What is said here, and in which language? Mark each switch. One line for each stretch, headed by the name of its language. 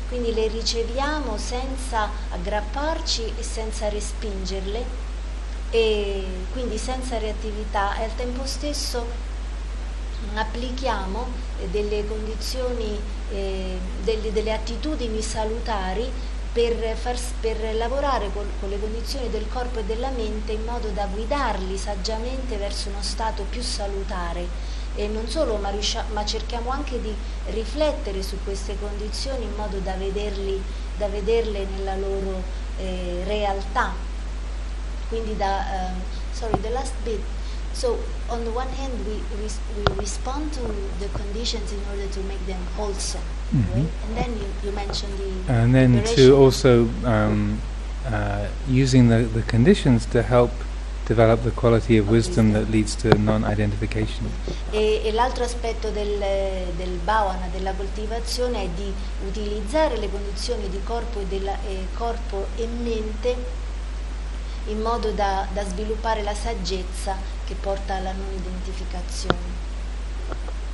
Italian: Quindi le riceviamo senza aggrapparci e senza respingerle, e quindi senza reattività, e al tempo stesso applichiamo delle condizioni, delle attitudini salutari per lavorare con le condizioni del corpo e della mente in modo da guidarli saggiamente verso uno stato più salutare. E non solo, ma cerchiamo anche di riflettere su queste condizioni in modo da vederle nella loro realtà.
English: Quindi the last bit. So on the one hand we respond to the conditions in order to make them wholesome. Mm-hmm. Right? And then you mentioned the and then liberation. To also using the conditions to help develop the quality of wisdom that leads to non-identification.
Italian: E l'altro aspetto del bhavana, della coltivazione, è di utilizzare le condizioni di corpo e corpo e mente in modo da sviluppare la saggezza che porta alla non-identificazione.